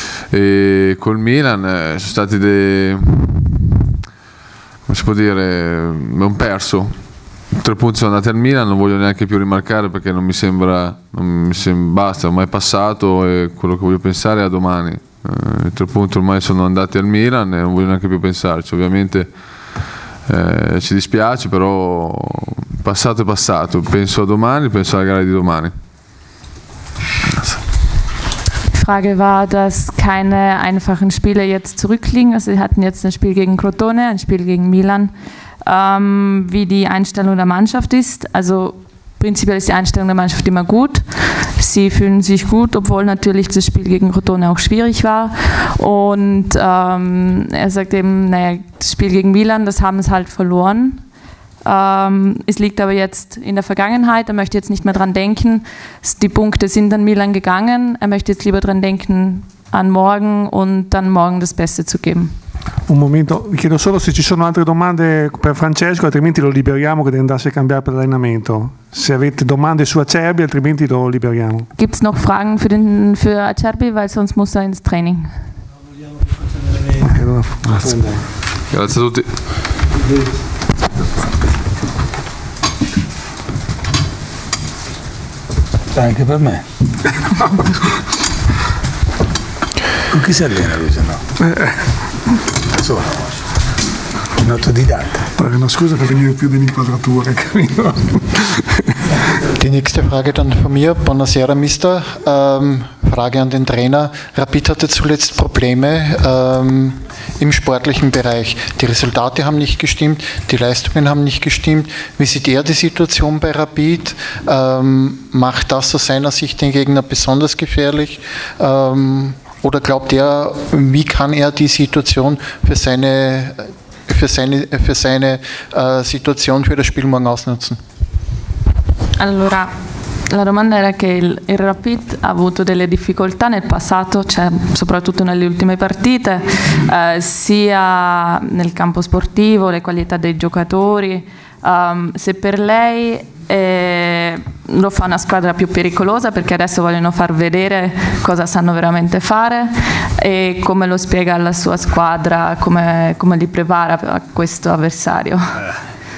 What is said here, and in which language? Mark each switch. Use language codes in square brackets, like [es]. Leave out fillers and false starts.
[it] E col Milan sono stati abbiamo perso 3 punti, sono andati al Milan, non voglio neanche più rimarcare perché basta, ormai è passato, e quello che voglio pensare è a domani. I 3 punti ormai sono andati al Milan e non voglio neanche più pensarci, ovviamente ci dispiace, però passato è passato, penso a domani, penso alla gara di domani. [de] Die Frage war, dass keine einfachen Spiele jetzt zurückliegen. Also sie hatten jetzt ein Spiel gegen Crotone, ein Spiel gegen Milan. Wie die Einstellung der Mannschaft ist. Also prinzipiell ist die Einstellung der Mannschaft immer gut. Sie fühlen sich gut, obwohl natürlich das Spiel gegen Crotone auch schwierig war. Und er sagt eben, naja, das Spiel gegen Milan, das haben sie halt verloren. Es liegt aber jetzt in der Vergangenheit, er möchte jetzt nicht mehr dran denken, die Punkte sind an Milan gegangen, er möchte jetzt lieber dran denken an morgen und dann morgen das Beste zu geben. [it] Un momento, vi chiedo solo se ci sono altre domande per Francesco, altrimenti lo liberiamo, che deve andarsi a cambiare per l'allenamento. Se avete domande su Acerbi, altrimenti lo liberiamo. [de] Gibt es noch Fragen für Acerbi, weil sonst muss er ins Training. [it] Grazie a tutti. Anche per me. Con chi si allena lui, se no? Insomma, un autodidatta. Prego, scusa per venire più dell'inquadratura, capito? [de] Die nächste Frage dann von mir. [it] Buonasera, Mister. [de] Frage an den Trainer. Rapid hatte zuletzt Probleme im sportlichen Bereich. Die Resultate haben nicht gestimmt, die Leistungen haben nicht gestimmt. Wie sieht er die Situation bei Rapid? Macht das aus seiner Sicht den Gegner besonders gefährlich? Oder glaubt er, wie kann er die Situation für seine Situation für das Spiel morgen ausnutzen? [it] Allora, la domanda era che il Rapid ha avuto delle difficoltà nel passato, cioè soprattutto nelle ultime partite, sia nel campo sportivo, le qualità dei giocatori, se per lei lo fa una squadra più pericolosa, perché adesso vogliono far vedere cosa sanno veramente fare e come lo spiega alla sua squadra, come li prepara a questo avversario.